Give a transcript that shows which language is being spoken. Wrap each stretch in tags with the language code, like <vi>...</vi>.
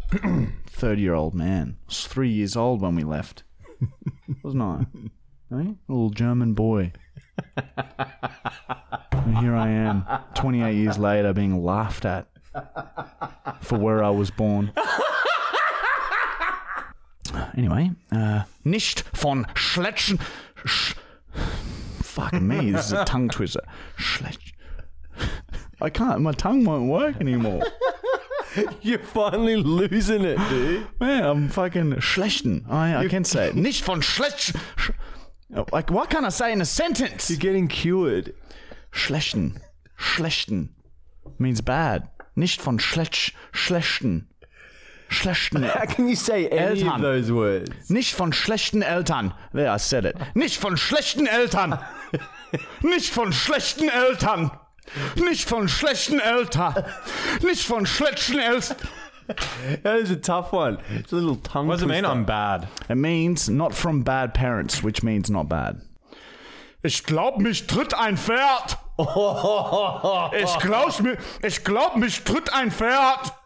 <en>30-year-old man. I was 3 years old when we left. Wasn't I? Eh? A little German boy. And here I am, 28 years later, being laughed at for where I was born. Anyway,</en> <de>nicht von Schletchen.</de> <en>Fuck me, this is a tongue twister. Schletch. I can't, my tongue won't work anymore. You're finally losing it, dude. Man, I'm fucking Schletchen. I can say it.</en> <de>Nicht von Schletchen.</de> <en>Like, what can I say in a sentence? You're getting cured.</en> <de>Schlechten. Schlechten.</de> <en>Means bad.</en> <de>Nicht von schlech. Schlechten. Schlechten.</de> <en>How can you say Eltern. Any of those words?</en> <de>Nicht von schlechten Eltern.</de> <en>There, I said it.</en> <de>Nicht von schlechten Eltern. Nicht von schlechten Eltern. Nicht von schlechten Eltern. Nicht von schlechten</de> <en>That is a tough one. It's a little tongue twister. What does it mean, I'm bad? It means not from bad parents, which means not bad.</en> <de>Ich glaub, mich tritt ein Pferd. Ich glaub, mich tritt ein Pferd.</de>